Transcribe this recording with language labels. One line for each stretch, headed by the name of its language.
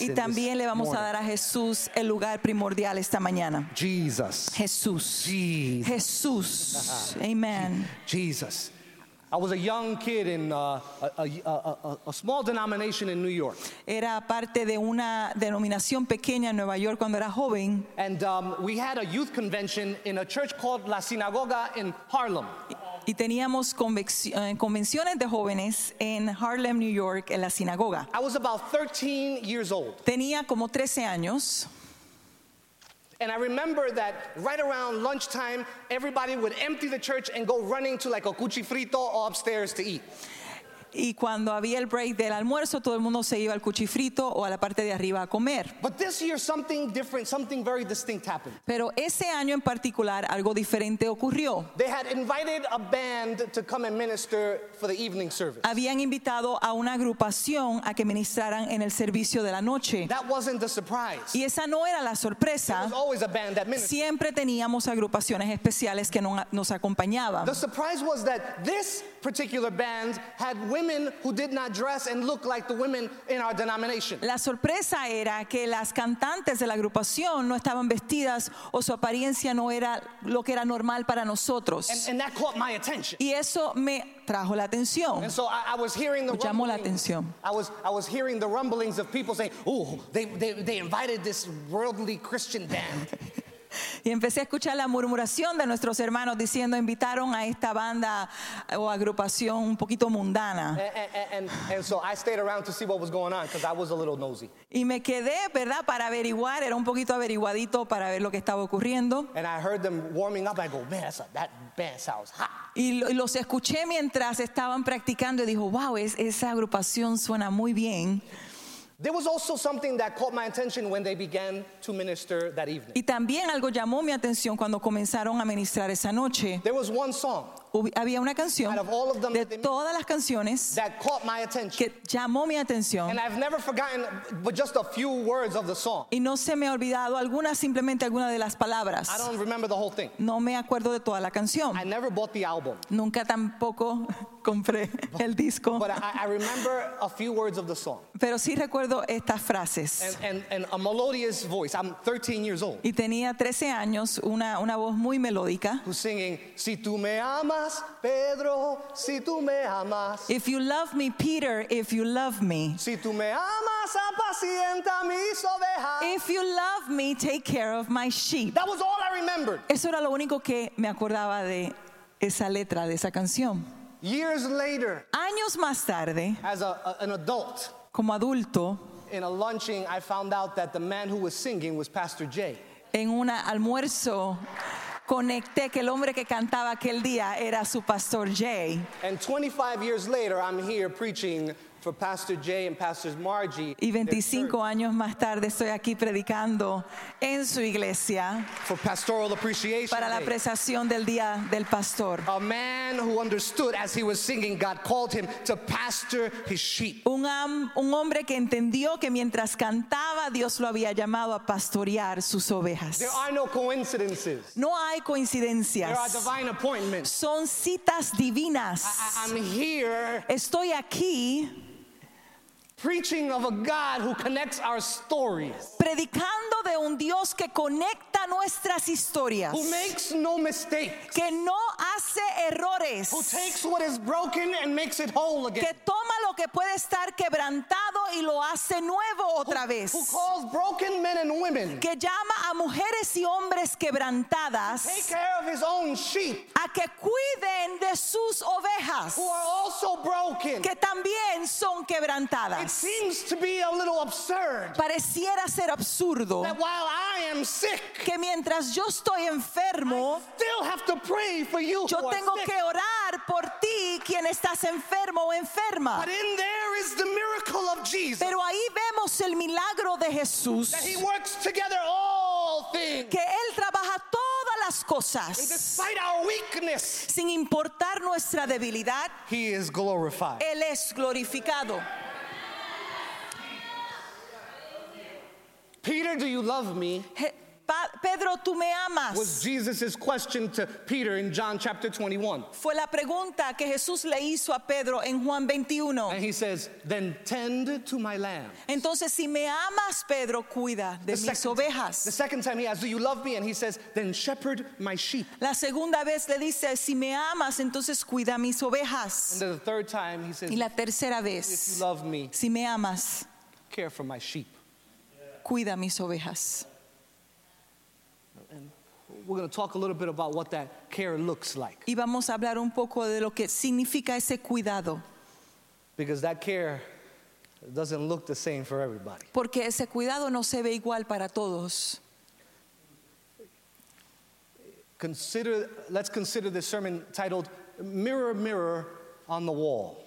Spanish: Y también le vamos a dar a Jesús el lugar primordial esta mañana.
English: Jesus.
Spanish: Jesús. Jesús.
English: Amen. Jesus. I was a young kid in a small denomination in New York.
Spanish: Era parte de una denominación pequeña en Nueva York cuando era joven.
English: And we had a youth convention in a church called La Sinagoga in Harlem.
Spanish: Y teníamos convenciones de jóvenes en Harlem, New York, en la sinagoga.
English: I was about 13 years old.
Spanish: Tenía como 13 años.
English: And I remember that right around lunchtime, everybody would empty the church and go running to like a cuchifrito or upstairs to eat.
Spanish: Y cuando había el break del almuerzo, todo el mundo se iba al cuchifrito o a la parte de arriba a comer.
English: But this year, something different, something very distinct happened.
Spanish: Pero ese año en particular, algo diferente ocurrió.
English: They had invited a band to come and minister for the evening service.
Spanish: Habían invitado a una agrupación a que ministraran en el servicio de la noche.
English: That wasn't the surprise.
Spanish: Y esa no era la sorpresa.
English: There was always a band that ministered.
Spanish: Siempre teníamos agrupaciones especiales que nos acompañaban.
English: The surprise was that this particular band had women who did not dress and look like the women in our denomination.
Spanish: La sorpresa era que las cantantes de la agrupación no estaban vestidas o su apariencia no era lo que era normal para nosotros.
English: And that caught my attention.
Spanish: Y eso me trajo la atención.
English: And so I was hearing the
Spanish: llamó la atención.
English: I was hearing the rumblings of people saying, "Oh, they invited this worldly Christian band."
Spanish: Y empecé a escuchar la murmuración de nuestros hermanos diciendo invitaron a esta banda o agrupación un poquito mundana.
English: And so I stayed around to see what was going on because I was a little nosy.
Spanish: Y me quedé, ¿verdad?, para averiguar, era un poquito averiguadito para ver lo que estaba ocurriendo.
English: And I heard them warming up. I go, "Man, that band sounds hot."
Spanish: Y los escuché mientras estaban practicando y dijo, "Wow, esa agrupación suena muy bien."
English: There was also something that caught my attention when they began to minister that evening.
Spanish: Y también algo llamó mi atención cuando comenzaron a ministrar esa noche.
English: There was one song.
Spanish: Había una canción
English: out of all of them,
Spanish: de todas las canciones
English: that caught my attention.
Spanish: Que llamó mi atención.
English: And I've never forgotten but just a few words of the song.
Spanish: Y no se me ha olvidado alguna, simplemente alguna de las palabras.
English: I don't remember the whole thing.
Spanish: No me acuerdo de toda la canción.
English: I never bought the album.
Spanish: Nunca tampoco compré el disco.
English: But I remember a few words of the song.
Spanish: Pero sí recuerdo estas frases.
English: And a melodious voice. I'm 13 years old.
Spanish: Y tenía 13 años, una voz muy melódica.
English: Who's singing,
Spanish: "Si tú me amas, Pedro, si tú me amas."
English: If you love me, Peter, if you love me.
Spanish: Si tú me amas, apacienta mis ovejas.
English: If you love me, take care of my sheep. That was all I remembered.
Spanish: Eso era lo único que me acordaba de esa letra, de esa canción.
English: Years later,
Spanish: años más tarde,
English: as an adult,
Spanish: como adulto,
English: in a lunching, I found out that the man who was singing was Pastor Jay.
Spanish: En un almuerzo, conecté que el hombre que cantaba aquel día era su Pastor Jay.
English: And 25 years later, I'm here preaching for Pastor Jay and Pastor Margie.
Spanish: Y 25 años más tarde, estoy aquí predicando en su iglesia.
English: For pastoral appreciation.
Spanish: Para la apreciación del día del pastor.
English: A man who understood as he was singing, God called him to pastor his sheep.
Spanish: Un hombre que entendió que mientras cantaba, Dios lo había llamado a pastorear sus ovejas.
English: There are no coincidences.
Spanish: No hay coincidencias.
English: There are divine appointments.
Spanish: Son citas divinas.
English: I'm here.
Spanish: Estoy aquí.
English: Preaching of a God who connects our stories.
Spanish: Predicando de un Dios que conecta nuestras historias.
English: Who makes no mistakes.
Spanish: Que no hace errores.
English: Who takes what is broken and makes it whole again.
Spanish: Que toma lo que puede estar quebrantado y lo hace nuevo otra vez.
English: Who calls broken men and women.
Spanish: Que llama a mujeres y hombres quebrantadas.
English: To take care of his own sheep.
Spanish: A que cuiden de sus ovejas.
English: Who are also broken.
Spanish: Que también son quebrantadas.
English: It seems to be a little absurd.
Spanish: Pareciera ser absurdo.
English: That while I am sick,
Spanish: que mientras yo estoy enfermo,
English: I still have to pray for you.
Spanish: Yo tengo
English: who are
Spanish: que
English: sick.
Spanish: Orar por ti, quien estás enfermo o enferma.
English: But in there is the miracle of Jesus.
Spanish: Pero ahí vemos el milagro de Jesús.
English: That he works together all things.
Spanish: Que él trabaja todas las cosas.
English: And despite our weakness,
Spanish: sin importar nuestra debilidad,
English: he is glorified.
Spanish: Él es glorificado.
English: Peter, do you love me?
Spanish: Pedro, tú me amas.
English: Was Jesus' question to Peter in John chapter 21.
Spanish: Fue la pregunta que Jesús le hizo a Pedro en Juan 21.
English: And he says, "Then tend to my lambs."
Spanish: Entonces, si me amas, Pedro, cuida de mis ovejas.
English: The second time he asks, "Do you love me?" And he says, "Then shepherd my sheep."
Spanish: La segunda vez le dice, si me amas, entonces cuida mis ovejas.
English: And then the third time he says,
Spanish: y la tercera vez,
English: "If you love me,
Spanish: si me amas,
English: care for my sheep."
Spanish: Cuida mis ovejas.
English: We're going to talk a little bit about what that care looks like.
Spanish: Y vamos a hablar un poco de lo que significa ese cuidado.
English: Because that care doesn't look the same for everybody.
Spanish: Porque ese cuidado no se ve igual para todos.
English: Let's consider this sermon titled Mirror, Mirror on the Wall.